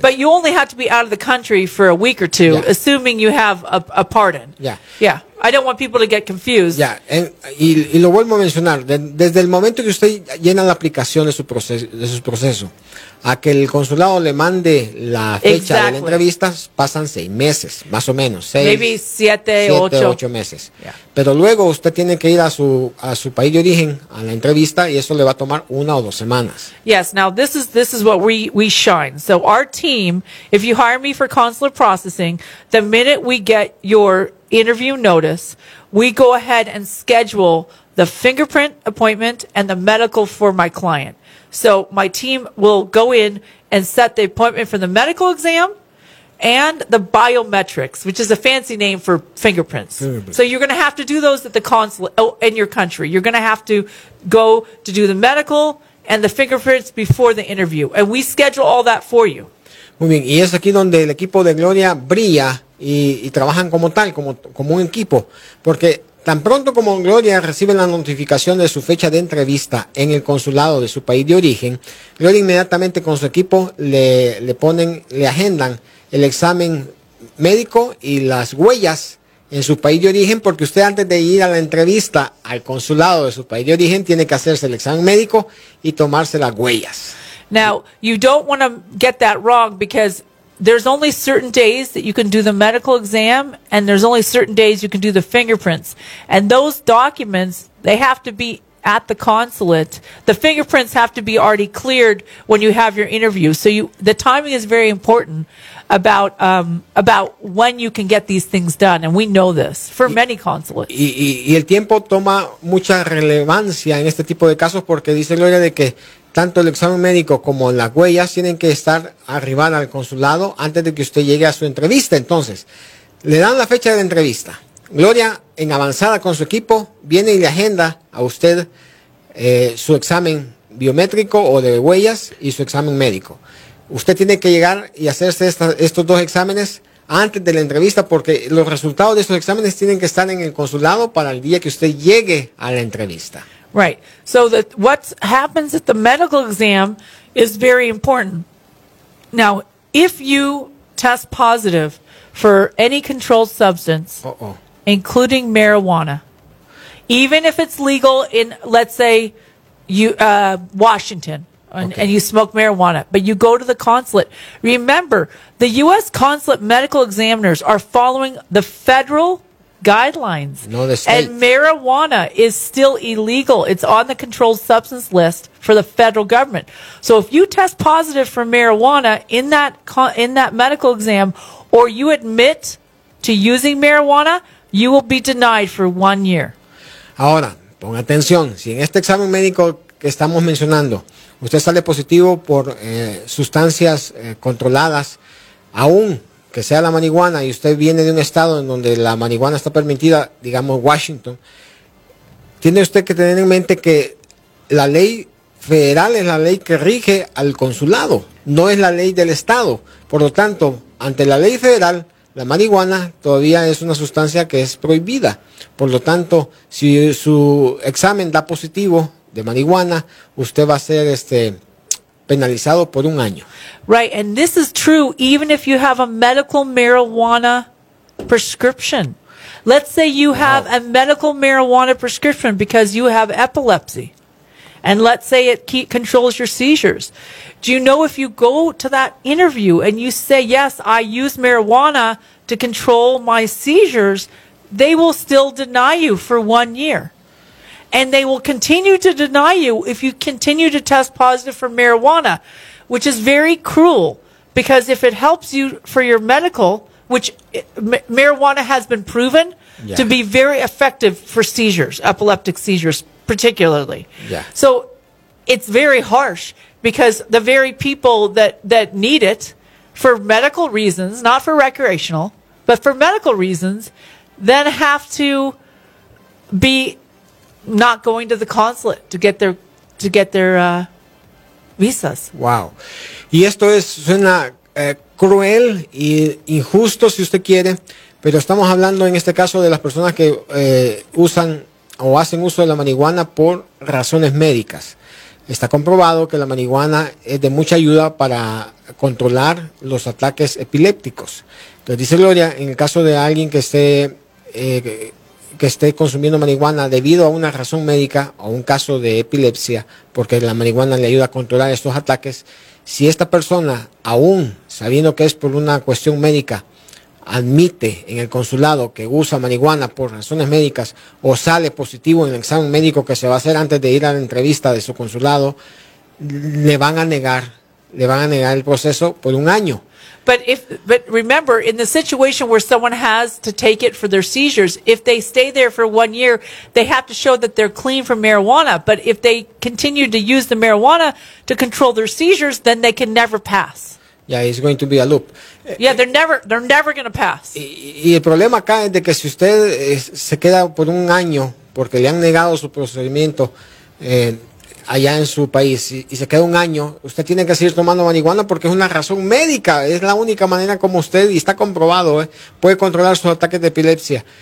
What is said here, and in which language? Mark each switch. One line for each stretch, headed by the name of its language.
English: But you only have to be out of the country for a week or two, yeah, assuming you have a pardon. Yeah. Yeah. I don't want people to get confused.
Spanish: Ya, y lo vuelvo a mencionar. Desde el momento que usted llena la aplicación de su proceso, a que el consulado le mande la fecha,
English: exactly,
Spanish: de la entrevista, pasan 6 meses, más o menos.
English: Maybe
Spanish: siete, ocho meses.
English: Yeah.
Spanish: Pero luego usted tiene que ir a su país de origen, a la entrevista, y eso le va a tomar 1 o 2 semanas.
English: Yes, now this is what we shine. So our team, if you hire me for consular processing, the minute we get your interview notice, we go ahead and schedule the fingerprint appointment and the medical for my client. So my team will go in and set the appointment for the medical exam and the biometrics, which is a fancy name for fingerprints. So you're going to have to do those at the consulate in your country. You're going to have to go to do the medical and the fingerprints before the interview. And we schedule all that for you.
Spanish: Muy bien, y es aquí donde el equipo de Gloria brilla y trabajan como tal, como un equipo. Porque tan pronto como Gloria recibe la notificación de su fecha de entrevista en el consulado de su país de origen, Gloria inmediatamente con su equipo le agendan el examen médico y las huellas en su país de origen, porque usted antes de ir a la entrevista al consulado de su país de origen tiene que hacerse el examen médico y tomarse las huellas.
English: Now, you don't want to get that wrong, because there's only certain days that you can do the medical exam, and there's only certain days you can do the fingerprints. And those documents, they have to be at the consulate. The fingerprints have to be already cleared when you have your interview. So the timing is very important about when you can get these things done, and we know this for many consulates.
Spanish: Y el tiempo toma mucha relevancia en este tipo de casos, porque dice Gloria de que tanto el examen médico como las huellas tienen que estar arribadas al consulado antes de que usted llegue a su entrevista. Entonces, le dan la fecha de la entrevista. Gloria, en avanzada con su equipo, viene y le agenda a usted su examen biométrico o de huellas y su examen médico. Usted tiene que llegar y hacerse estos dos exámenes antes de la entrevista, porque los resultados de esos exámenes tienen que estar en el consulado para el día que usted llegue a la entrevista.
English: Right. So what happens at the medical exam is very important. Now, if you test positive for any controlled substance, including marijuana, even if it's legal in, let's say, Washington, and you smoke marijuana, but you go to the consulate, remember, the U.S. consulate medical examiners are following the federal guidelines. No, the state. And marijuana is still illegal. It's on the controlled substance list for the federal government. So if you test positive for marijuana in that medical exam, or you admit to using marijuana, you will be denied for 1 year.
Spanish: Ahora, pon atención. Si en este examen médico que estamos mencionando, usted sale positivo por sustancias controladas, aún que sea la marihuana, y usted viene de un estado en donde la marihuana está permitida, digamos Washington, tiene usted que tener en mente que la ley federal es la ley que rige al consulado, no es la ley del estado. Por lo tanto, ante la ley federal, la marihuana todavía es una sustancia que es prohibida. Por lo tanto, si su examen da positivo de marihuana, usted va a ser penalizado por 1 año.
English: Right, and this is true even if you have a medical marijuana prescription. Let's say you have a medical marijuana prescription because you have epilepsy, And let's say it controls your seizures. Do you know if you go to that interview and you say, yes, I use marijuana to control my seizures, they will still deny you for 1 year. And they will continue to deny you if you continue to test positive for marijuana, which is very cruel. Because if it helps you for your medical, which marijuana has been proven to be very effective for seizures, epileptic seizures particularly. Yeah. So it's very harsh because the very people that need it for medical reasons, not for recreational, but for medical reasons, then have to be not going to the consulate to get their visas. Wow.
Spanish: Y esto es suena cruel y injusto, si usted quiere, pero estamos hablando en este caso de las personas que usan o hacen uso de la marihuana por razones médicas. Está comprobado que la marihuana es de mucha ayuda para controlar los ataques epilépticos. Entonces dice Gloria, en el caso de alguien que esté consumiendo marihuana debido a una razón médica o un caso de epilepsia, porque la marihuana le ayuda a controlar estos ataques, si esta persona, aún sabiendo que es por una cuestión médica, admite en el consulado que usa marihuana por razones médicas o sale positivo en el examen médico que se va a hacer antes de ir a la entrevista de su consulado, le van a negar el proceso por un año.
English: But remember, in the situation where someone has to take it for their seizures, if they stay there for 1 year, they have to show that they're clean from marijuana. But if they continue to use the marijuana to control their seizures, then they can never pass. Yeah, it's going to be a loop. Yeah, they're never going to pass.
Spanish: Y el problema acá es de que si usted se queda por un año porque le han negado su procedimiento allá en su país y se queda un año, usted tiene que seguir tomando marihuana porque es una razón médica, es la única manera como usted, y está comprobado, puede controlar sus ataques de epilepsia.